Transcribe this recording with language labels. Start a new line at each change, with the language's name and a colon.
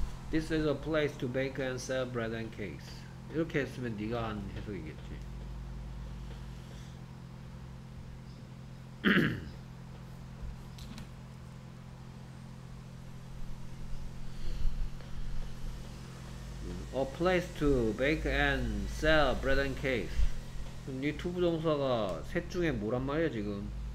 English: 'This is a place to bake and sell bread and cakes.'
Korean: 이렇게 했으면 네가 한 해석이겠지.
English: 'A place to bake and sell bread and cakes.'
Korean: 네 to 부정사가 셋 중에 뭐란 말이야 지금?